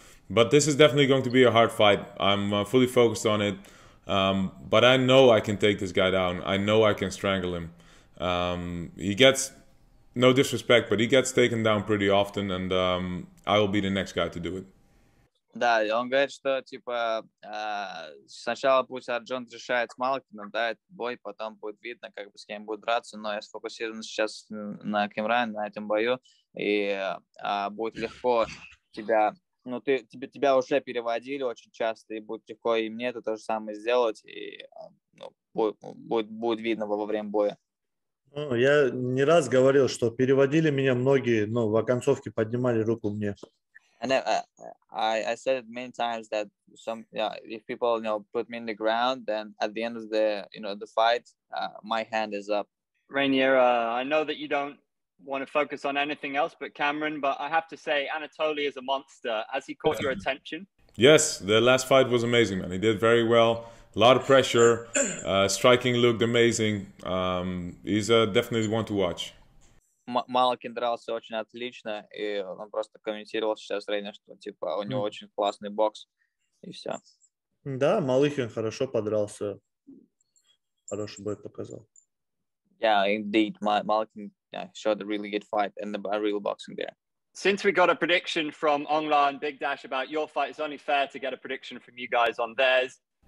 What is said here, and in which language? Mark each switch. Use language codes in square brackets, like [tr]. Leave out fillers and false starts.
[en] But this is definitely going to be a hard fight. I'm fully focused on it. But I know I can take this guy down. I know I can strangle him. He gets, no disrespect, but he gets taken down pretty often, and I will be the next guy to do it. [ru] Да, он говорит, что типа сначала пусть Арджун решает с Малкиным, да, этот бой, потом будет видно, как бы с кем будет драться, но я сфокусирован сейчас на Кимрайне, на этом бою, и будет легко тебя, ну, ты, тебя уже переводили очень часто, и будет легко и мне это то же самое сделать, и ну, будет видно во время боя. Ну, я не раз говорил, что переводили меня многие, но в оконцовке поднимали руку мне. [en] And I said it many times that some if people put me in the ground, then at the end of the the fight, my hand is up. Reinier, I know that you don't want to focus on anything else but Kiamran, but I have to say Anatoly is a monster. Has he caught your attention? Yes, the last fight was amazing, man. He did very well. A lot of pressure, striking looked amazing. He's definitely one to watch. [ru] Малакин дрался очень отлично, и он просто комментировал сейчас Рейнер, что типа у него очень классный бокс, и все. Да, Малыхин хорошо подрался, хороший бой показал. [en] Yeah, indeed, Малакин showed a really good fight and a real boxing there. Since we got a prediction from Ongla and Big Dash about your fight, it's only fair to get a prediction from you guys on theirs.